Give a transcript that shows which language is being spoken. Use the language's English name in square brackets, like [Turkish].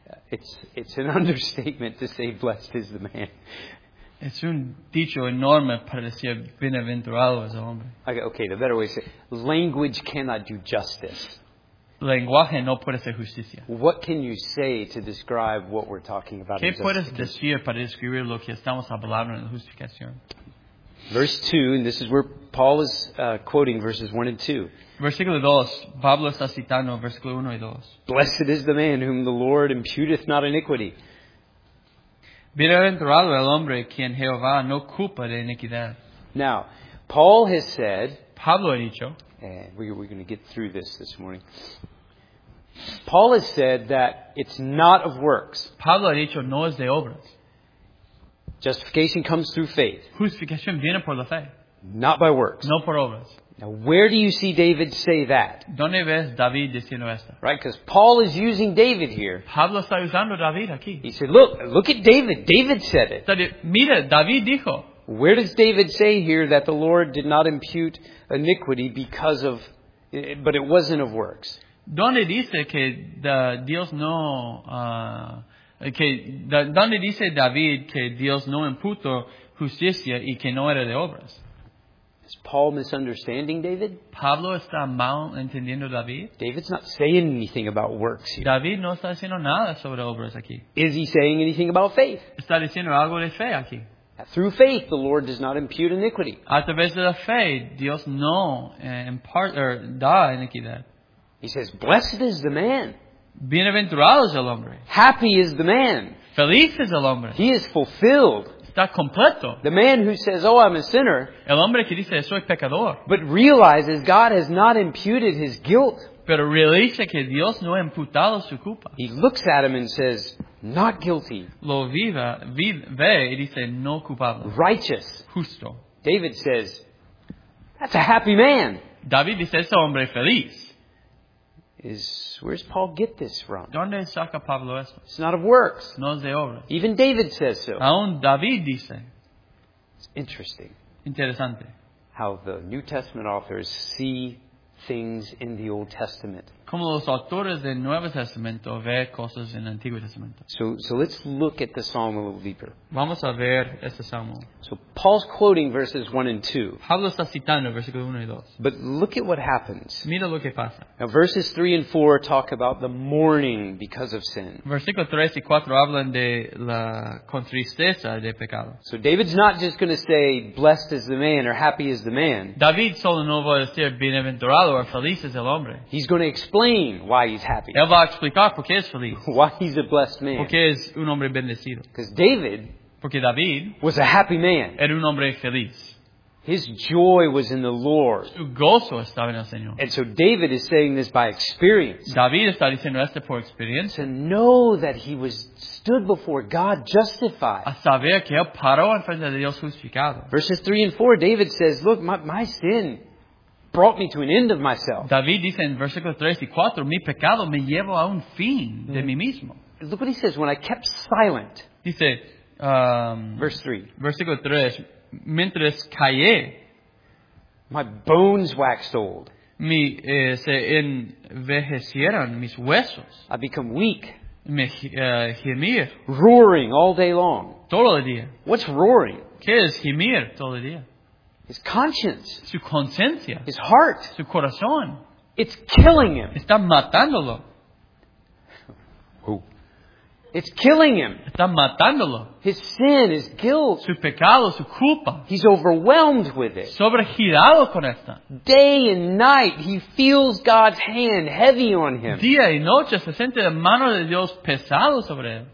[English] It's an understatement to say, blessed is the man. [Spanish] Es un dicho enorme para decir bienaventurado es el hombre. [English] Okay, the better way to say it. Language cannot do justice. [Spanish] Lenguaje no puede hacer justicia. [English] What can you say to describe what we're talking about? [Spanish] ¿Qué puedes decir para describir lo que estamos hablando en la justificación? [English] Verse 2, and this is where Paul is quoting verses 1 and 2. [Spanish] Versículo 2, Pablo está citando versículo 1 y 2. [English] Blessed is the man whom the Lord imputeth not iniquity. [Spanish] Bienaventurado el hombre quien Jehová no culpa de iniquidad. [English] Now, Paul has said, [Spanish] Pablo ha dicho, [English] and we're going to get through this morning. Paul has said that it's not of works. [Spanish] Pablo ha dicho, no es de obras. [English] Justification comes through faith. [Spanish] Justificación viene por la fe. [English] Not by works. [Spanish] No por obras. [English] Now, where do you see David say that? [Spanish] ¿Dónde ves David diciendo esto? [English] Right, because Paul is using David here. [Spanish] Pablo está usando David aquí. [English] He said, look at David. David said it. [Spanish] Mira, David dijo. [English] Where does David say here that the Lord did not impute iniquity because of, but it wasn't of works? [Spanish] ¿Dónde dice que Dios no, ¿dónde dice David que Dios no imputó justicia y que no era de obras? [English] Is Paul misunderstanding David? [Spanish] Pablo está mal entendiendo David. [English] David's not saying anything about works here. [Spanish] David no está diciendo nada sobre obras aquí. [English] Is he saying anything about faith? [Spanish] Está diciendo algo de fe aquí. [English] Through faith, the Lord does not impute iniquity. [Spanish] A través de la fe, Dios no imparte o da iniquidad. [English] He says, blessed is the man. [Spanish] Bienaventurado es el hombre. [English] Happy is the man. [Spanish] Feliz es el hombre. [English] He is fulfilled. [Spanish] Está completo. [English] The man who says, oh, I'm a sinner. [Spanish] El hombre que dice, soy pecador. [English] But realizes God has not imputed his guilt. [Spanish] Pero realiza que Dios no ha imputado su culpa. [English] He looks at him and says, not guilty. [Spanish] Lo viva, ve, dice, no culpable. [English] Righteous. [Spanish] Justo. [English] David says, that's a happy man. [Spanish] David dice, es hombre feliz. [English] Where's Paul get this from? [Spanish] ¿Dónde saca Pablo eso? [English] It's not of works. [Spanish] No es de obras. [English] Even David says so. [Spanish] Aún David dice. [English] It's interesting. [Spanish] Interesante. [English] How the New Testament authors see things in the Old Testament. [Spanish] Como los autores del Nuevo Testamento ve cosas en el Antiguo Testamento. [English] So let's look at the psalm a little deeper. [Spanish] Vamos a ver este salmo. [English] So Paul's quoting verses 1 and 2. [Spanish] Pablo está citando versículos 1 y 2. [English] But look at what happens. [Spanish] Mira lo que pasa. [English] Now verses 3 and 4 talk about the mourning because of sin. [Spanish] Versículos 3 y 4 hablan de la contristeza de pecado. [English] So David's not just going to say blessed is the man or happy is the man. [Spanish] David solo no va a decir bienaventurado o feliz es el hombre. [English] He's going to explain why he's happy. [Spanish] Él va a explicar por qué es feliz. [English] Why he's a blessed man. [Spanish] Porque es un hombre bendecido. [English] Because David, [Spanish] porque David [English] was a happy man. [Spanish] Era un hombre feliz. [English] His joy was in the Lord. [Spanish] Su gozo estaba en el Señor. [English] And so David is saying this by experience. [Spanish] David está diciendo esto por experiencia. [English] To know that he was stood before God justified. [Spanish] A saber que él paró en frente de Dios justificado. [English] Verses 3 and 4, David says, look, my sin brought me to an end of myself. [Spanish] David dice en versículos 3 y 4, mi pecado me llevó a un fin de mí mismo. [English] Look what he says, when I kept silent. [Spanish] Dice, [English] verse 3. [Spanish] Versículo 3, mientras callé, [English] my bones waxed old. [Spanish] Se envejecieron mis huesos. [English] I become weak. [Spanish] Gemir. [English] Roaring all day long. [Spanish] Todo el día. [English] What's roaring? [Spanish] ¿Qué es gemir todo el día? [English] His conscience. [Spanish] Su conciencia. [English] His heart. [Spanish] Su corazón. [English] It's killing him. [Spanish] Está matándolo. [English] Who? It's killing him. [Spanish] Está matándolo. [English] His sin, his guilt. [Spanish] Su pecado, su culpa. [English] He's overwhelmed with it. [Spanish] Sobregirado con esta. [English] Day and night, he feels God's hand heavy on him. [Spanish] Día y noche, se siente la mano de Dios pesado sobre él.